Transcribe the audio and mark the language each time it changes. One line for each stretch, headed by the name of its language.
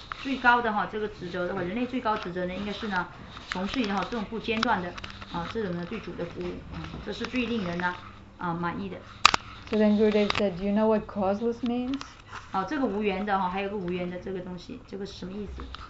Chinese: 最高的哈，这个职责的话，人类最高职责呢，应该是呢，从事哈这种不间断的啊，这种呢对主的服务，这是最令人呢啊满意的。
English: So then Gurudev said, "Do you know what causeless means?"
Chinese: 哦，这个无缘的哈，还有个无缘的这个东西，这个是什么意思？